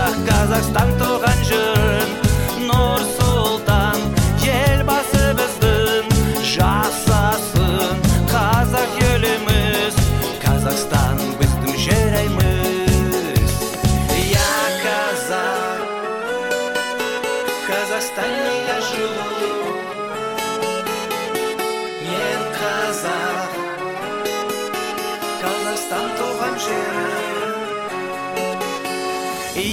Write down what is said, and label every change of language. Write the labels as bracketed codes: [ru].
[kk] Қазақстан туған жерім, Нұрсұлтан, елбасы біздің. Жасасын қазақ еліміз, Қазақстан біздің жеріміз. [ru] Я казах, в Казахстане я живу. [kk] Мен казах, Қазақстан туған жерім.